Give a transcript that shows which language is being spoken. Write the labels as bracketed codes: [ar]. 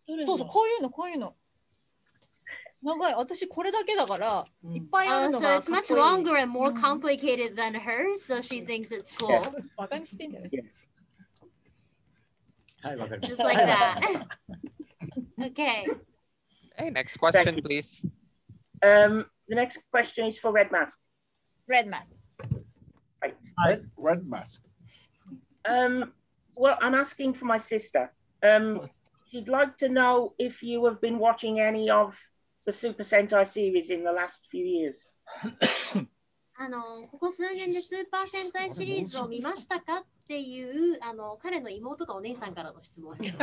[ja] そうそうこういうのこういうの。長い。私これだけだから、いっぱいあるのがかっこいい。 [en] So it's much longer and more complicated than hers, so she thinks it's cool. [ja] バカにしてんじゃない？はい、わかりました。 [en] Just like that. Okay. Hey, next question, please. The next question is for Red Mask. Red Mask. Hi, Red Mask. Well, I'm asking for my sister. She'd like to know if you have been watching any of... The Super Sentai series in the last few years. [ja] ここ数年でスーパー戦隊シリーズを見ましたかっていう彼の妹かお姉さんからの質問。